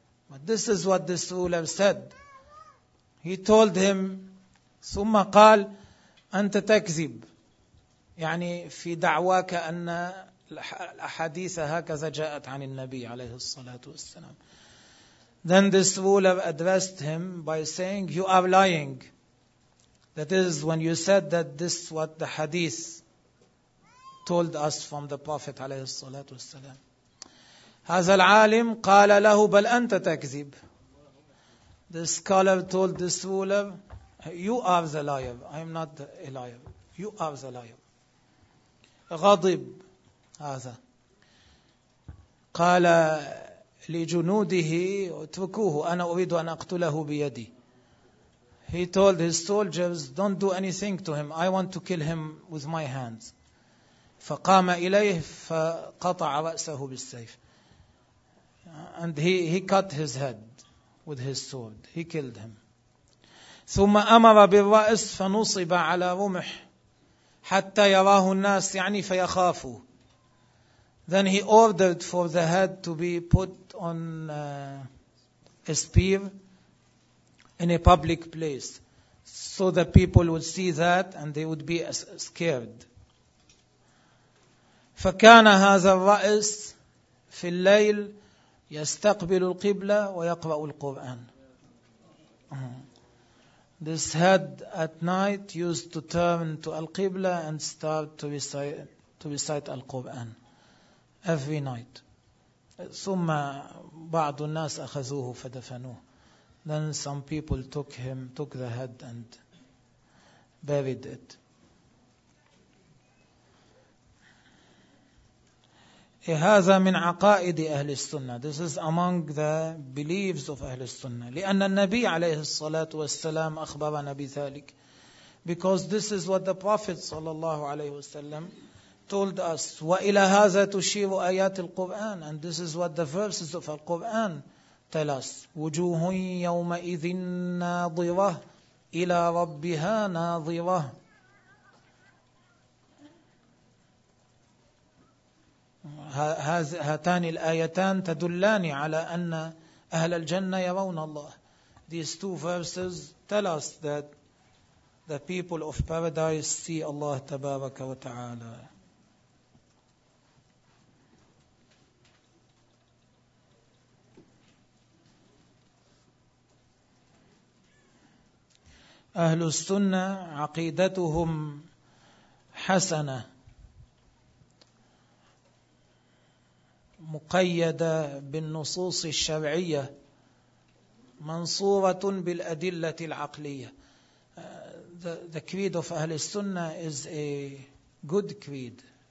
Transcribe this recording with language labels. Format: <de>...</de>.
<en>But this is what this ruler said. He told him,</en> <ar>ثم قال أنت تكذب يعني في دعواك أن الأحاديث هكذا جاءت عن النبي عليه الصلاة والسلام.</ar> <en>Then this ruler addressed him by saying, you are lying. That is when you said that this is what the hadith told us from the Prophet</en> <ar>عليه الصلاة والسلام. هذا العالم قال له بل أنت تكذب.</ar> <en>The scholar told this ruler, you are the liar. I am not a liar. You are the liar.</en> <ar>غضب هذا. قال لجنوده اتركوه أنا أريد أن أقتله بيدي.</ar> <en>He told his soldiers, don't do anything to him. I want to kill him with my hands.</en> <ar>فقام إليه فقطع رأسه بالسيف.</ar> <en>And he cut his head with his sword. He killed him.</en> <ar>ثم أمر بالرأس فنصب على رمح حتى يراه الناس يعني فيخافوا.</ar> <en>Then he ordered for the head to be put on a spear in a public place so the people would see that and they would be scared.</en> <ar>فكان هذا الرأس في الليل يستقبل القبلة ويقرأ القرآن.</ar> <en>This head at night used to turn to Al-Qibla and start to recite Al-Qur'an every night.</en> <ar>ثم بعض الناس أخذوه فدفنوه.</ar> <en>Then some people took the head and where we did.</en> <ar>هذا من عقائد أهل السنة.</ar> <en>This is among the beliefs of أهل السنة.</en> <ar>لأن النبي عليه الصلاة والسلام أخبرنا بذلك.</ar> <en>Because this is what the Prophet</en> <ar>صلى الله عليه وسلم</ar> <en>told us.</en> <ar>وإلى هذا تشير آيات القرآن.</ar> <en>And this is what the verses of the Quran tell us.</en> <ar>وجوه يومئذ ناظرة إلى ربها ناظرة. هاتان الآيتان تدلان على أن أهل الجنة يرون الله.</ar> <en>These two verses tell us that the people of paradise see Allah</en> <ar>تبارك وتعالى. أهل السنة عقيدتهم حسنة مقيدة بالنصوص الشرعية منصورة بالأدلة العقلية.</ar> <en>The creed of أهل السنة is a good creed.</en>